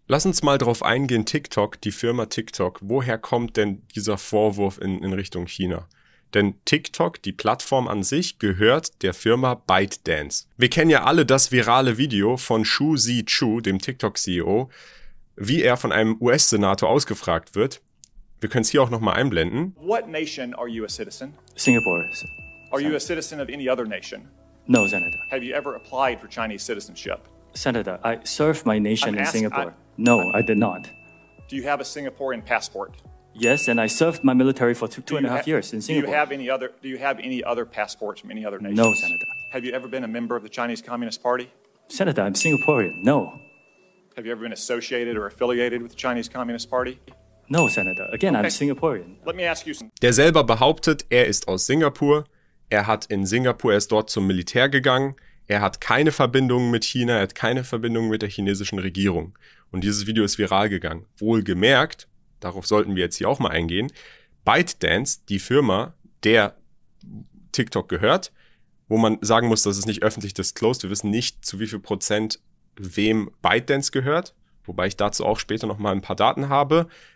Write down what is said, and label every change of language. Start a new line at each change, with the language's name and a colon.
German: Lass uns mal drauf eingehen, TikTok, die Firma TikTok. Woher kommt denn dieser Vorwurf in Richtung China? Denn TikTok, die Plattform an sich, gehört der Firma ByteDance. Wir kennen ja alle das virale Video von Xu Zhichu, dem TikTok-CEO, wie er von einem US-Senator ausgefragt wird. Wir können es hier auch nochmal einblenden.
English: What nation are you a citizen? Singapore. Are you a citizen of any other nation? No, Senator. Have you ever applied for Chinese citizenship? Senator, I serve my nation in Singapore. I did not. Do you have a Singaporean passport? Yes, and I served my military for two and a half years in Singapore. Do you have any other passports from any other nations? No, Senator. Have you ever been a member of the Chinese Communist Party? Senator, I'm Singaporean. No. Have you ever been associated or affiliated with the Chinese Communist Party? No, Senator. Again, okay. I'm Singaporean. Let me ask you something.
German: Der selber behauptet, er ist aus Singapur. Er ist dort zum Militär gegangen. Er hat keine Verbindungen mit China, er hat keine Verbindungen mit der chinesischen Regierung. Und dieses Video ist viral gegangen. Wohlgemerkt, darauf sollten wir jetzt hier auch mal eingehen, ByteDance, die Firma, der TikTok gehört, wo man sagen muss, das ist nicht öffentlich disclosed, wir wissen nicht, zu wie viel Prozent wem ByteDance gehört, wobei ich dazu auch später nochmal ein paar Daten habe.